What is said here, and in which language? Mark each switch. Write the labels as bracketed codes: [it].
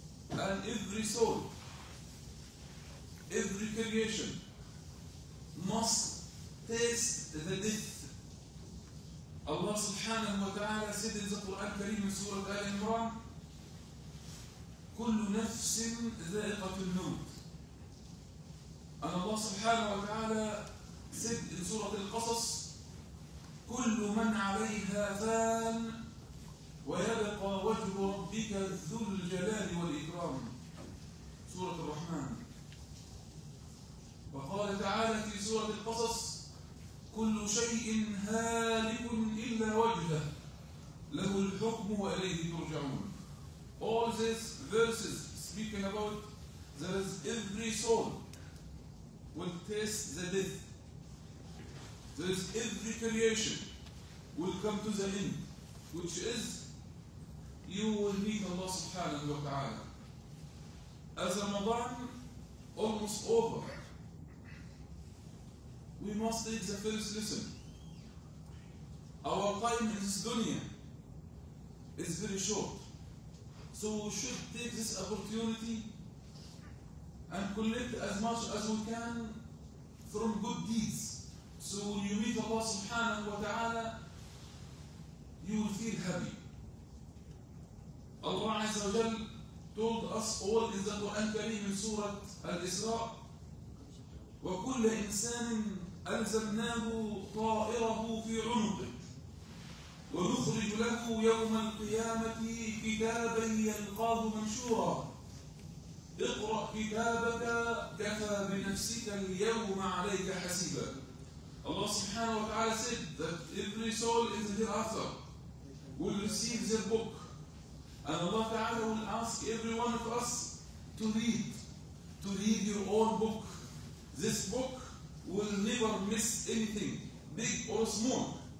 [en] And every soul, every creation must taste the death. Allah subhanahu wa ta'ala said in the Quran Kareem in Surah Al Imran, [ar] كل نفس ذائقة الموت. [en] And Allah subhanahu wa ta'ala said in Surah Al Qasas, [ar] كل من عليها فان ويبقى وجه ربك ذو الجلال والإكرام. سورة الرحمن. وقال تعالى في سورة القصص: كل شيء هالك إلا وجهه له الحكم وإليه ترجعون. [en] All these verses speaking about there is every soul will taste the death. There is every creation will come to the end, which is you will meet Allah subhanahu wa ta'ala. As Ramadan almost over, we must take the first lesson. Our time in this dunya is very short, so we should take this opportunity and collect as much as we can from good deeds. So when you meet Allah subhanahu wa ta'ala, you will feel happy. Allah Azza wa Jal told us all in the Quran Kareem in Surah Al-Isra, [ar] وَكُلَّ إِنسَانٍ أَلْزَمْنَاهُ طَائِرَهُ فِي عُنُقِهِ وَنُخْرِجُ لَهُ يَوْمَ الْقِيَامَةِ كِتَابًا يَلْقَاهُ مَنْشُورًا اقْرَأْ كِتَابَكَ كَفَى بِنَفْسِكَ الْيَوْمَ عَلَيْكَ حَسِيبًا. [en] Allah subhanahu wa ta'ala said that every soul in the hereafter will receive the book. And Allah Ta'ala will ask every one of us to read your own book. This book will never miss anything, big or small.